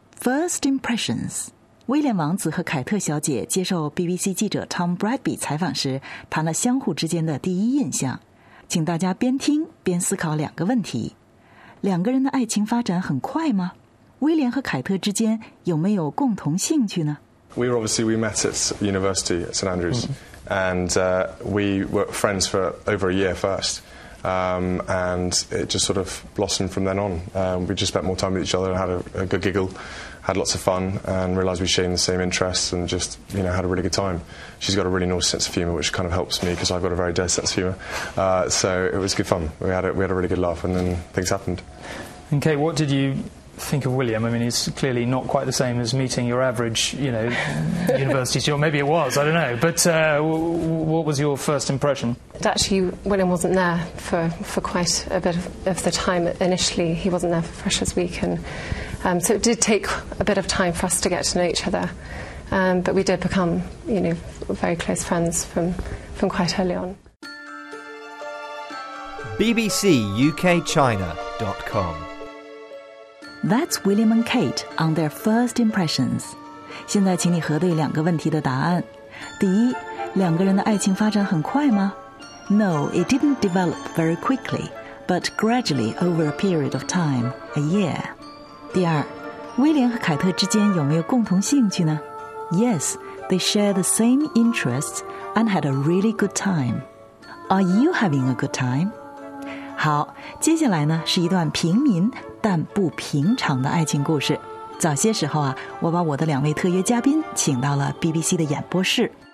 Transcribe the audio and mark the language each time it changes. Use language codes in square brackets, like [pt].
[en] First impressions. [zh] 威廉王子和凯特小姐接受 BBC 记者 Tom Bradby 采访时，谈了相互之间的第一印象。请大家边听边思考两个问题：两个人的爱情发展很快吗？威廉和凯特之间有没有共同兴趣呢？ [en] We met at university at St. Andrews, and we were friends for over a year first, and it just sort of blossomed from then on. We just spent more time with each other and had a good giggle, had lots of fun, and realized we shared the same interests and just, you know, had a really good time. She's got a really nice sense of humor, which kind of helps me because I've got a very dirty sense of humor. So it was good fun. We had a really good laugh, and then things happened. And Kate, what did you think of William? I mean, he's clearly not quite the same as meeting your average, you know, university student. Maybe it was, I don't know. But what was your first impression? Actually, William wasn't there for quite a bit of the time initially. He wasn't there for Freshers Week. And so it did take a bit of time for us to get to know each other. But we did become, you know, very close friends from quite early on. BBCUKChina.com. That's William and Kate on their first impressions. [zh] 现在请你核对两个问题的答案。第一，两个人的爱情发展很快吗？ [en] No, it didn't develop very quickly, but gradually over a period of time, a year. [zh] 第二，威廉和凯特之间有没有共同兴趣呢？ [en] Yes, they share the same interests and had a really good time. Are you having a good time? [zh] 好，接下来呢是一段平民但不平常的爱情故事。早些时候啊，我把我的两位特约嘉宾请到了 BBC 的演播室。